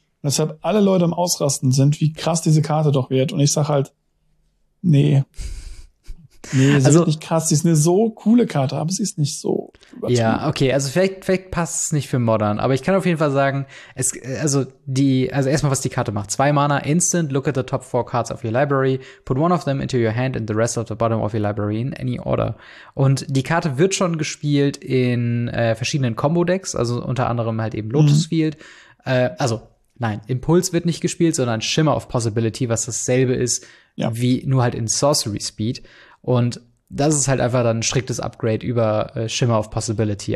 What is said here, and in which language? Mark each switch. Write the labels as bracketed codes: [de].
[de] Und deshalb alle Leute am Ausrasten sind, wie krass diese Karte doch wird. Und ich sag halt, nee. Nee, sie ist nicht krass. Sie ist eine so coole Karte, aber sie ist nicht so übertrieben. Ja, okay, also vielleicht passt es nicht für Modern. Aber ich kann auf jeden Fall sagen, erstmal, was die Karte macht. [en] 2 Mana, instant, look at the top 4 cards of your library, put one of them into your hand and the rest of the bottom of your library in any order. [de] Und die Karte wird schon gespielt in verschiedenen Combo-Decks, also unter anderem halt eben Lotus Field. Nein, Impulse wird nicht gespielt, sondern Shimmer of Possibility, was dasselbe ist wie nur halt in Sorcery Speed. Und das ist halt einfach dann ein striktes Upgrade über Shimmer of Possibility.